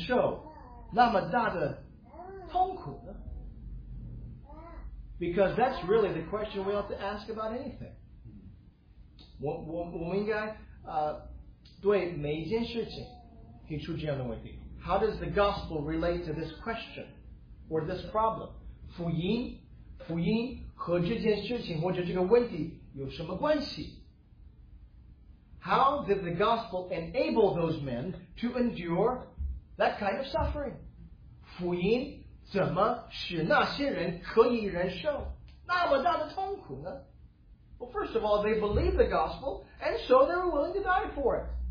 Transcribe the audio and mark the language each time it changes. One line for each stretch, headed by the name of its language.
Chinese: 我想问大家，福音怎么使那些人可以忍受那么大的痛苦呢？
English: Because that's really the question we ought to ask about anything.
Chinese: 我们应该对每一件事情提出这样的问题。
English: How does the gospel relate to this question or this problem?
Chinese: 福音和这件事情或者这个问题有什么关系?
English: How did the gospel enable those men to endure that kind of suffering?
Chinese: 福音 怎么使那些人可以忍受那么大的痛苦呢?
English: Well, first of all, they believed the gospel, and so they were willing to die for it.